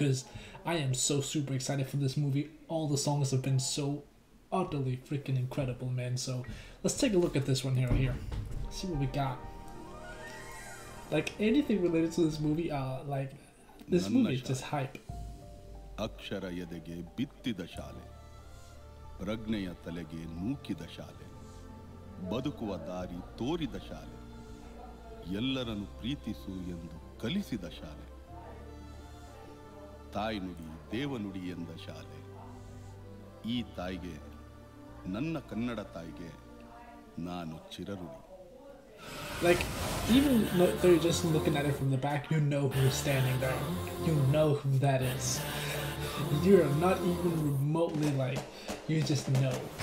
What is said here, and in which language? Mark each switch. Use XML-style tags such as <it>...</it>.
<en>Because I am so super excited for this movie. All the songs have been so utterly freaking incredible, man. So let's take a look at this one here. See what we got. Like, anything related to this movie, this movie is just hype.</en> <kn>Akshara yadege bitti da shale. ಪ್ರಜ್ಞೆಯ ತಲೆಗೆ ನೂಕಿದ ಶಾಲೆ, ಬದುಕುವ ದಾರಿ ತೋರಿದ ಶಾಲೆ, ಎಲ್ಲರನ್ನು ಪ್ರೀತಿಸು ಎಂದು ಕಲಿಸಿದ ಶಾಲೆ, ತಾಯಿ ನುಡಿ ದೇವನುಡಿ ಎಂದ ಶಾಲೆ. ಈ ತಾಯಿಗೆ, ನನ್ನ ಕನ್ನಡ ತಾಯಿಗೆ ನಾನು ಚಿರಋಣಿ.</kn> <en>Like, even though you're just looking at it from the back, you know who's standing there. You know who that is. You're not even remotely like, you just know.</en>